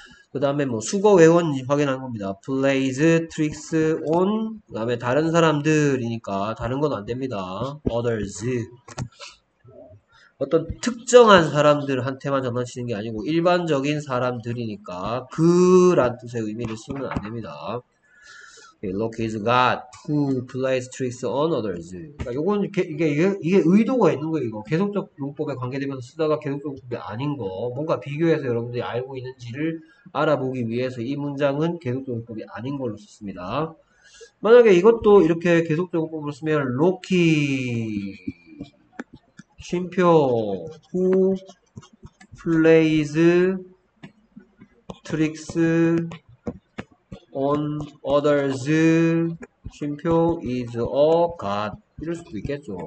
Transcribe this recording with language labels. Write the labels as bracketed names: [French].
[Korean] 그 다음에 뭐 수거 외원 확인한 겁니다. [English] plays tricks on [Korean] 그 다음에 다른 사람들이니까 다른 건안 됩니다. others 어떤 특정한 사람들한테만 장난치는 게 아니고 일반적인 사람들이니까 그란 뜻의 의미를 쓰면 안 됩니다. [English] Okay, Loki is God who plays tricks on others. [Korean] 그러니까 요건 이게 의도가 있는 거예요. 이거 계속적 용법에 관계되면서 쓰다가 계속적 용법이 아닌 거 뭔가 비교해서 여러분들이 알고 있는지를 알아보기 위해서 이 문장은 계속적 용법이 아닌 걸로 썼습니다. 만약에 이것도 이렇게 계속적 용법으로 쓰면 Loki 쉼표 [English] who plays tricks on others [Korean] 쉼표 is a god 이럴 수도 있겠죠.